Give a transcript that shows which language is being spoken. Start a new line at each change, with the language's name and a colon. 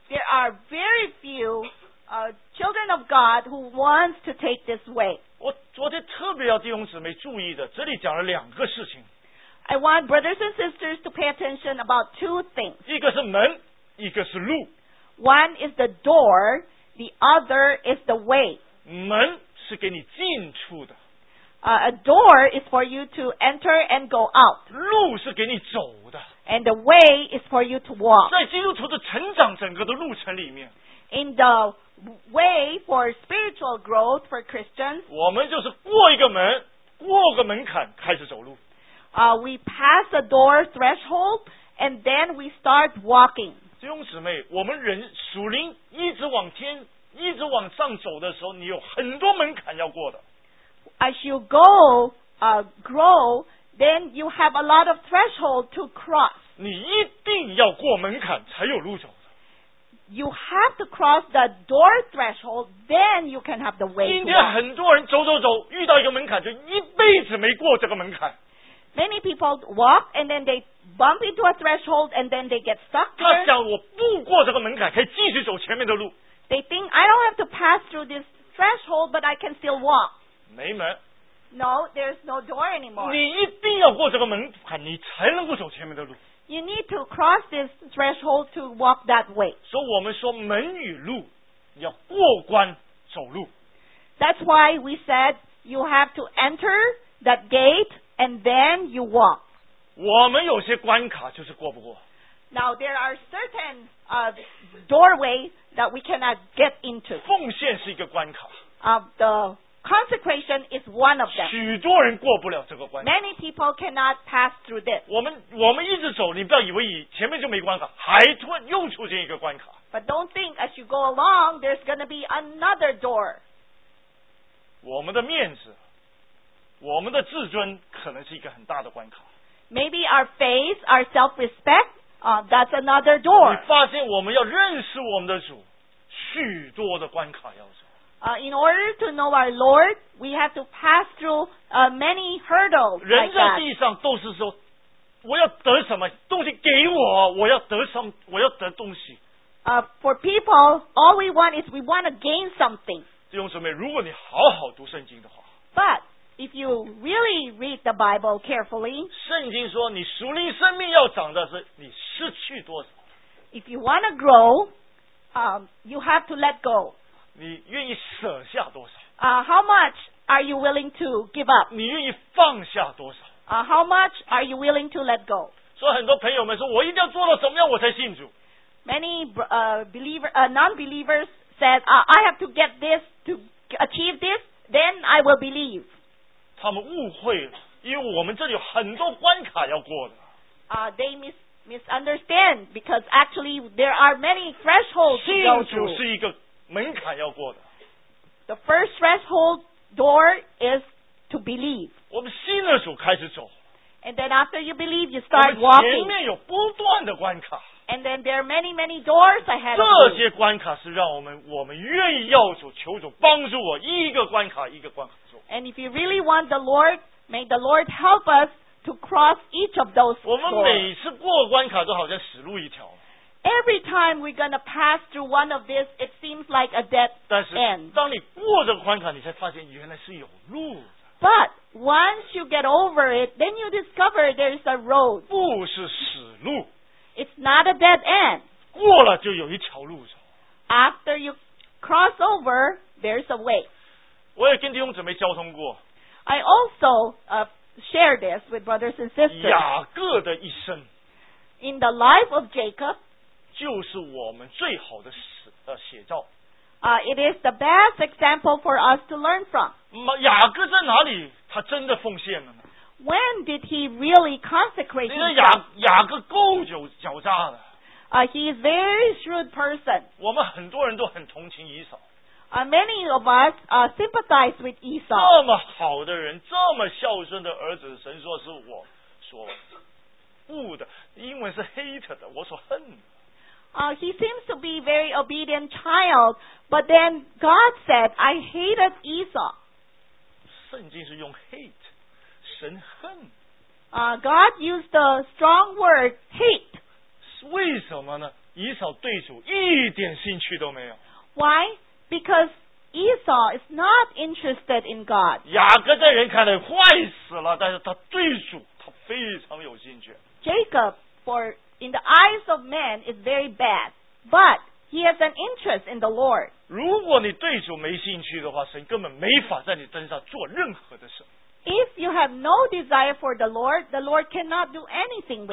English: There are very few children of God who wants to take this way.
Chinese: 我昨天特别要弟兄姊妹注意的，这里讲了两个事情。
English: I want brothers and sisters to pay attention about two things.
Chinese: 一个是门，一个是路。
English: One is the door, the other is the way.
Chinese: 门是给你进出的。
English: a door is for you to enter and go out.
Chinese: 路是给你走的。
English: And the way is for you to walk.
Chinese: 在基督徒的成长整个的路程里面。
English: In the way for spiritual growth for Christians.
Chinese: 我们就是过一个门，过个门槛开始走路。
English: We pass a door threshold and then we start walking.
Chinese: 弟兄姊妹，我们人属灵一直往天一直往上走的时候，你有很多门槛要过的。
English: As you go, grow, then you have a lot of threshold to cross.
Chinese: 你一定要过门槛才有路走。
English: You have to cross the door threshold, then you can have the way.
Chinese: 今天很多人走走走，遇到一个门槛，就一辈子没过这个门槛。
English: Many people walk and then they bump into a threshold and then they get stuck.
Chinese: 他想我不过这个门槛，可以继续走前面的路。
English: They think I don't have to pass through this threshold, but I can still walk.
Chinese: 没门。
English: No, there's no door anymore.
Chinese: 你一定要过这个门槛，你才能够走前面的路。
English: You need to cross this threshold to walk that way.
Chinese: 所以我们说门与路要过关走路。
English: That's why we said you have to enter that gate and then you walk.
Chinese: 我们有些关卡就是过不过。
English: Now there are certain doorways that we cannot get into.
Chinese: 奉献是一个关卡。
English: The consecration is one of them.
Chinese: 许多人过不了这个关卡。
English: Many people cannot pass through this.
Chinese: 我们一直走，你不要以为前面就没关卡，还突然又出现一个关卡。
English: But don't think as you go along, there's going to be another door.
Chinese: 我们的面子，我们的自尊可能是一个很大的关卡。
English: Maybe our faith, our self-respect. That's another door.
Chinese: 你发现我们要认识我们的主，许多的关卡要走。
English: In order to know our Lord, we have to pass through many hurdles.
Chinese: 人在地上都是说，我要得什么东西给我，我要得什么，我要得东西。
English: For people, all we want is we want to gain something.
Chinese: 弟兄姊妹，如果你好好读圣经的话
English: ，But if you really read the Bible carefully,
Chinese: 圣经说你属灵生命要长的是你失去多少。
English: If you want to grow, you have to let go.
Chinese: 你愿意舍下多少？
English: How much are you willing to give up?
Chinese: 你愿意放下多少？
English: How much are you willing to let go?
Chinese: 所以很多朋友们说，我一定要做到什么样我才信主。
English: Many non-believers said, I have to get this to achieve this, then I will believe.
Chinese: 他们误会了，因为我们这里有很多关卡要过的。
English: They misunderstand because actually there are many thresholds to go through.
Chinese: 信主是一个门槛要过的。
English: The first threshold door is to believe.
Chinese: 我们信了主开始走。
English: And then after you believe, you start walking.
Chinese: 我们前面有不断的关卡。
English: And then there are many, many doors ahead of you.
Chinese: 这些关卡是让我们愿意要主求主帮助我一个关卡一个关卡走。
English: And if you really want the Lord, may the Lord help us to cross each of those doors.
Chinese: 我们每次过关卡都好像死路一条。
English: Every time we're going to pass through one of these, it seems like a dead end.
Chinese: 但是当你过这个关卡，你才发现原来是有路的。
English: But once you get over it, then you discover there is a road.
Chinese: 不是死路。
English: It's not a dead end.
Chinese: 过了就有一条路走。
English: After you cross over, there's a way.
Chinese: 我也跟弟兄姊妹交通过。
English: I also share this with brothers and sisters.
Chinese: 雅各的一生。
English: In the life of Jacob,
Chinese: 就是我们最好的写照。
English: It is the best example for us to learn from.
Chinese: 雅各在哪里他真的奉献了呢？
English: When did he really consecrate himself?
Chinese: 雅各够狡诈的。
English: He is a very shrewd person.
Chinese: 我们很多人都很同情以扫。
English: Many of us sympathize with Esau.
Chinese: 这么好的人，这么孝顺的儿子，神说是我所恶的，英文是 hate 的，我所恨的。
English: He seems to be a very obedient child, but then God said, I hated Esau.
Chinese: 圣经是用 hate, 神恨。 God used the strong word hate. 为什么呢？以扫对主一点兴趣都没有。
English: Why? Because Esau is not interested in God.
Chinese: 雅各在人看来坏死了，但是他对主他非常有兴趣。
English: Jacob, in the eyes of men, is very bad. But he has an interest in the Lord.
Chinese: 如果你对主没兴趣的话，神根本没法在你身上做任何的事。
English: If you have no desire for the Lord cannot do anything with you.